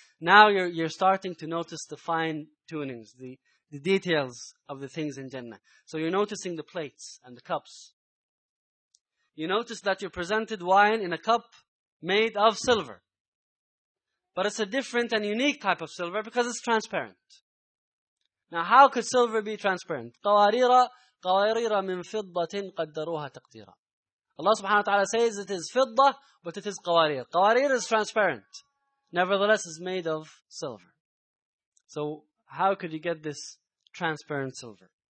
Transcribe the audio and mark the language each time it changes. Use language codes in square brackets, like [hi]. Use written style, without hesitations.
[en] Now you're starting to notice the fine tunings, the details of the things in Jannah. So you're noticing the plates and the cups. You notice that you're presented wine in a cup made of silver. But it's a different and unique type of silver because it's transparent. Now, how could silver be transparent? [ar] قواريرا من فضة قدروها تقديرا. [en] Allah subhanahu wa ta'ala says it is fidda, but it is qawarir. Qawarir is transparent. Nevertheless, it's made of silver. So, how could you get this transparent silver?